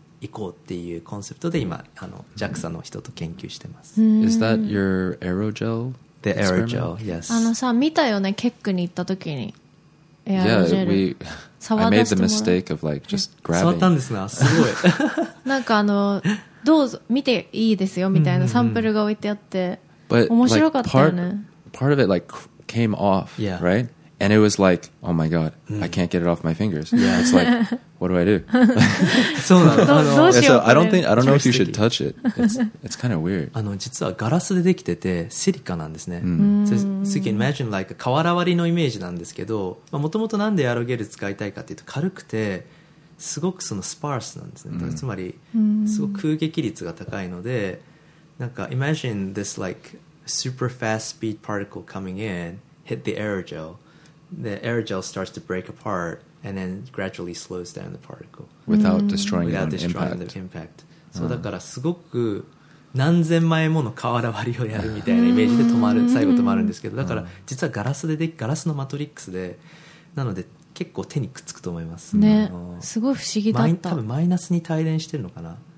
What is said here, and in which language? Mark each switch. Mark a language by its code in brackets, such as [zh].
[ja] 行こうっていうコンセプトで今あの JAXA の人と研究してます。 [en] Is that your aerogel? The aerogel, yes. [ja] あのさ見たよねケックに行った時に。 [en] Yeah, we. I made the mistake of like just grabbing. [ja] 触ったんですな。すごい。なんかあのどうぞ見ていいですよみたいなサンプルが置いてあって。 [en] But, [ja] 面白かったよね。 [en] Like, part of it like came off, yeah. right? And it was like, oh my god, I can't get it off my fingers. Yeah, it's like, what do I do? [ja] そうなの。どうしよう。 [en] So I don't think I don't know if you should touch it. It's kind of weird. [ja] あの実はガラスでできててシリカなんですね。 [en] So you can imagine like [ja] 瓦割りのイメージなんですけど、まあ元々なんでエアロゲル使いたいかっていうと軽くてすごくそのスパースなんですね。Mm. つまりすごく空撃率が高いので。 [en] なんか imagine this like super fast speed particle coming in, hit the aerogel. The aerogel starts to break apart and then gradually slows down the particle. Without destroying, without destroying impact. The impact. [ja] So だからすごく何千枚もの瓦割りをやるみたいなイメージで止まる、最後止まるんですけど、だから実はガラスでで、ガラスのマトリックスで、なので結構手にくっつくと思います。ね、すごい不思議だった。多分マイナスに帯電してるのかな。